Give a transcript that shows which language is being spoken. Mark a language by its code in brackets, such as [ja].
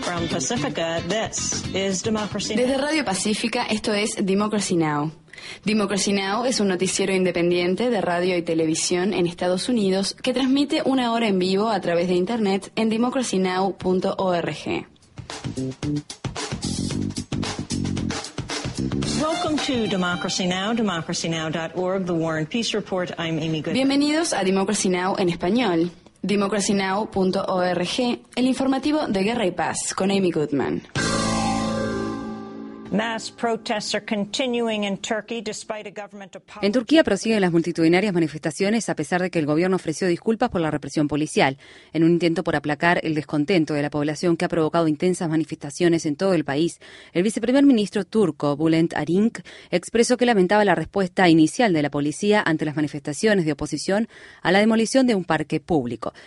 [en] Pacifica, this is Democracy Now. [es] Desde Radio Pacífica, esto es Democracy Now. Democracy Now! Es un noticiero independiente de radio y televisión en Estados Unidos que transmite una hora en vivo a través de Internet en democracynow.org. [en] Welcome to Democracy Now!, democracynow.org, The War and Peace Report. I'm Amy Goodman. [es] Bienvenidos a Democracy Now! En español, democracynow.org, el informativo de Guerra y Paz con Amy Goodman. [en] Mass protests are continuing in Turkey despite a government apology. [es] En Turquía prosiguen las multitudinarias manifestaciones a pesar de que el gobierno ofreció disculpas por la represión policial, en un intento por aplacar el descontento de la población que ha provocado intensas manifestaciones en todo el país. El viceprimer ministro turco, Bülent Arınç, expresó que lamentaba la respuesta inicial de la policía ante las manifestaciones de oposición a la demolición de un parque público.